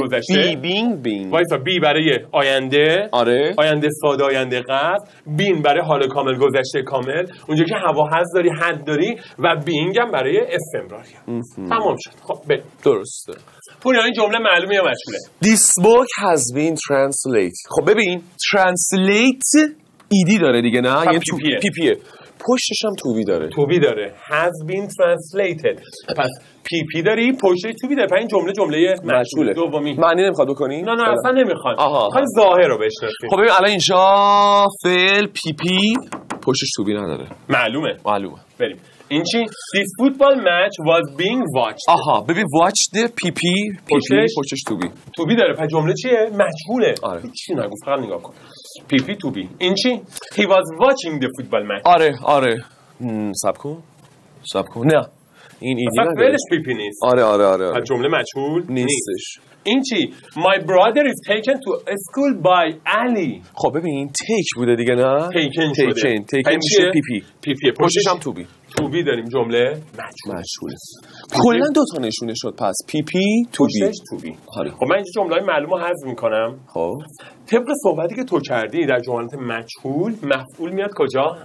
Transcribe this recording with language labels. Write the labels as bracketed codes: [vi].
[fa] گذشته. بی بینگ بینگ وایسا بی برای آینده آره، آینده ساده، آینده قصد. بین برای حال کامل گذشته کامل، اونجا که هوا هست داری، حد داری. و بینگ هم برای استمراری. تمام شد. خب بریم. درسته پوریا، این جمله معلومه یا مجهوله؟ [en] This book has been translated. [fa] خب ببین translate ایدی داره دیگه نه؟ یه پی پیه. پی پیه. پشتش هم توبی داره، توبی داره. has been translated. پس پی پی داری، پشتش توبی داره. پس این جمله جمله مجهوله. دومی معنی نمیخواد بکنی؟ نه نه اصلا نمیخواد. آها خواهی ظاهر رو بشناسی. خب ببین الان اینجا فعل پی پی پشتش توبی نداره، معلومه. معلومه. بریم این چی؟ this football match was being watched. آها ببین watched پی پی پشتش توبی، توبی داره. پس جمله چیه؟ مجهوله. آره چی نگو، فقط نگاه کن. پی پی تو بی این چی؟ he was watching the football match. آره آره سبکو سبکو نه این ایدی نداره، فعلش پی پی نیست. آره آره آره پس جمله مجهول نیستش. این چی؟ my brother is taken to school by Ali. خب ببین take بوده دیگه نه؟ taken شده. taken taken میشه پی پی، پی پی پشتش هم تو بی، تو بی داریم جمله مجهوله. کلن دوتا نشونه شد پس پی پی تو بی پشتش تو بی. آره. خب من اینجا جمله های معلوم رو حذف میکنم. خب طبق صحبتی که تو کردی در جملات مجهول مفعول میاد کجا؟